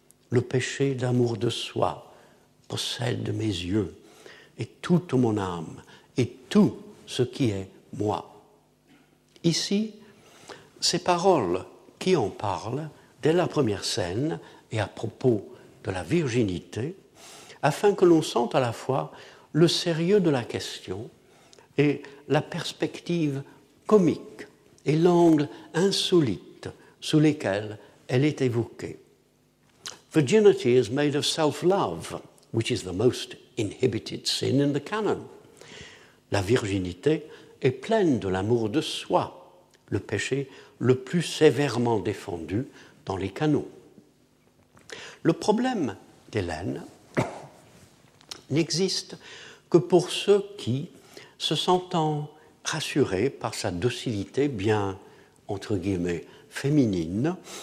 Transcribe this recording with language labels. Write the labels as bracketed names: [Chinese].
[French] Le péché d'amour de soi possède mes yeux, et toute mon âme, et tout ce qui est moi. » Ici, ces paroles qui en parlent, dès la première scène, et à propos de la virginité, afin que l'on sente à la fois le sérieux de la question et la perspective comique et l'angle insolite sous lesquels elle est évoquée. [English] Virginity is made of self-love, which is the most inhibited sin in the canon. [French] La virginité est pleine de l'amour de soi, le péché le plus sévèrement défendu dans les canons. Le problème d'Hélène n'existe que pour ceux qui, se sentant rassurés par sa docilité bien, entre guillemets, féminine,